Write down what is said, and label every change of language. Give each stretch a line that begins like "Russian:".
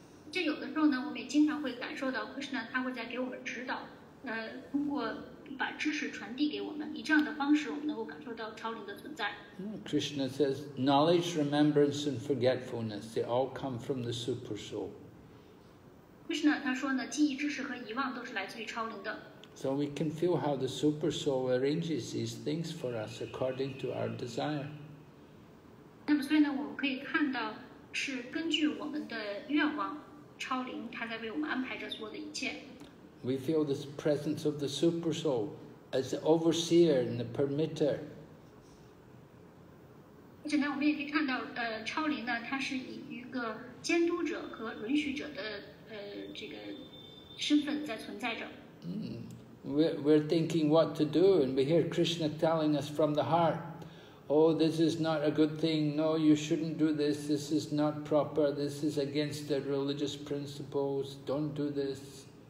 Chinese: 这有的时候呢，我们也经常会感受到 Krishna 他会在给我们指导，通过把知识传递给我们，以这样的方式，我们能够感受到超灵的存在。
English: Krishna says, knowledge, remembrance, and forgetfulness, they all come from the Super Soul.
Chinese: Krishna 他说呢，记忆、知识和遗忘都是来自于超灵的。
English: So we can feel how the Super Soul arranges these things for us according to our desire.
Chinese: 那么所以呢，我们可以看到是根据我们的愿望，超灵它在为我们安排着所有的一切。
English: We feel the presence of the Super Soul as the overseer and the permitter.
Chinese: 而且呢，我们也可以看到，超灵呢，它是以一个监督者和允许者的这个身份在存在着。
English: We're thinking what to do, and we hear Krishna telling us from the heart, oh, this is not a good thing, no, you shouldn't do this, this is not proper, this is against the religious principles, don't do this.